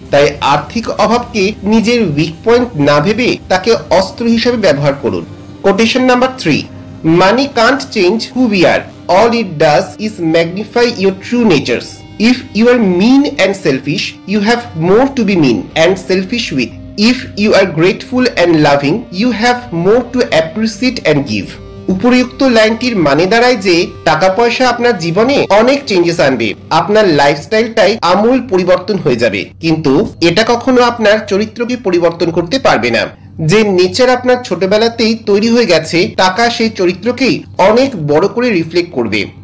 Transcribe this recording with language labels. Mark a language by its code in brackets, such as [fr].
[bn] তাই আর্থিক অভাবকে নিজের উইক পয়েন্ট না ভেবে তাকে অস্ত্র হিসেবে ব্যবহার করুন। [en] Quotation number 3, money can't change who we are, all it does is magnify your true natures. If you are mean and selfish, you have more to be mean and selfish with. If you are grateful and loving, you have more to appreciate and give. [bn] উপরিউক্ত লাইনটির মানে দাঁড়ায় যে টাকা পয়সা আপনার জীবনে অনেক changes আনবে, আপনার লাইফস্টাইলটাই আমূল পরিবর্তন হয়ে যাবে, কিন্তু এটা কখনো আপনার চরিত্রকে পরিবর্তন করতে পারবে না। যে নেচার আপনার ছোটবেলাতেই তৈরি হয়ে গেছে, টাকা সেই চরিত্রকেই অনেক বড় করে রিফ্লেক্ট করবে।